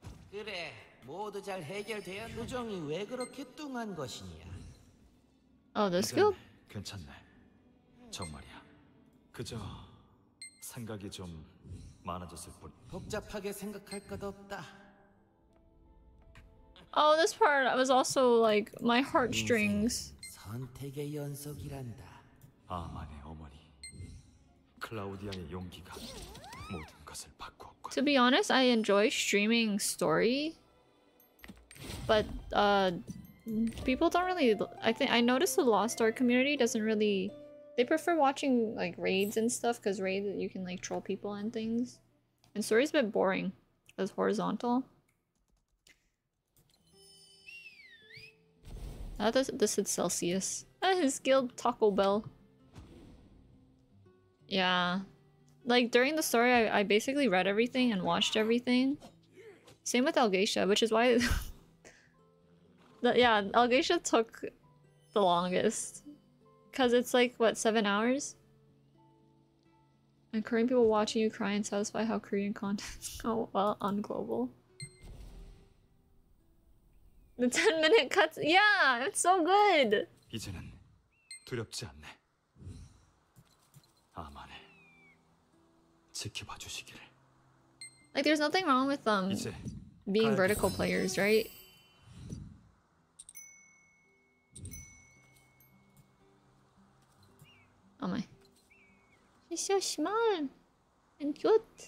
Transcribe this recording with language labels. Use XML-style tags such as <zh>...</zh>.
<ko>그래, 모두 잘 해결되었네. 표정이 왜 그렇게 뚱한 것이냐?</ko> <en>Let's go.</en> <ko>괜찮네. 정말이야. 그저 생각이 좀 많아졌을 뿐. 복잡하게 생각할 것 없다.</ko> <en>Oh, this part was also like my heartstrings.</en> <ko>선택의 연속이란다. 아만의 어머니, 클라우디아의 용기가 모든 것을 바꾸었군.</ko> <en>To be honest, I enjoy streaming story, but people don't really. I noticed the Lost Ark community doesn't really. They prefer watching like raids and stuff because raids you can like troll people and things. And story's a bit boring as horizontal. This is Celsius. His guild Taco Bell. Yeah. Like during the story, I basically read everything and watched everything. Same with Elgeisha, which is why. Elgeisha took the longest. Because it's like, what, 7 hours? And Korean people watching you cry and satisfy how Korean content go well on global. The 10 minute cuts, yeah, it's so good!</en> <ko>이제는 두렵지 않네. 아만에 지켜봐 주시기를.</ko> <en>Like, there's nothing wrong with them being vertical players, right? Oh my. She's so small and cute.</en>